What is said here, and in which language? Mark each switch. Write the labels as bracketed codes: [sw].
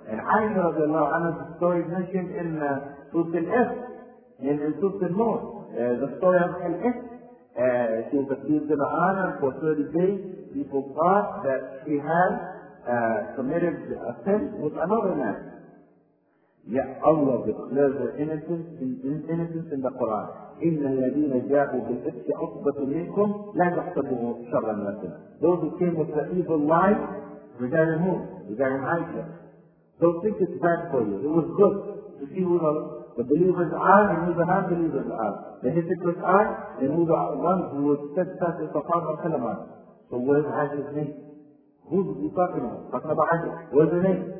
[en] And Aisha [ar] رضي الله عنها's [en] story mentioned in Surah Al-Ikh, in Surah Al-Nur. The story of Al-Ikh. She was accused in her honor for 30 days. People thought that she had committed a sin with another man. Yet Allah declares her innocence in the Quran. [ar] إِنَّ الَّذِينَ جَاءُوا بِالْإِفْكِ عُصْبَةٌ مِنْكُمْ لَا تَحْسَبُوا شَرًّا لَكُمْ [en] Those who came with the evil life, regarding whom? Regarding Aisha. Don't think it's bad for you. It was good to see who the believers are and who the non-believers are. The hypocrites are and who the ones who were steadfast in the Prophet Muhammad are. So where's Aisha's name? Who's he talking about? Talking about Aisha. Where's her name?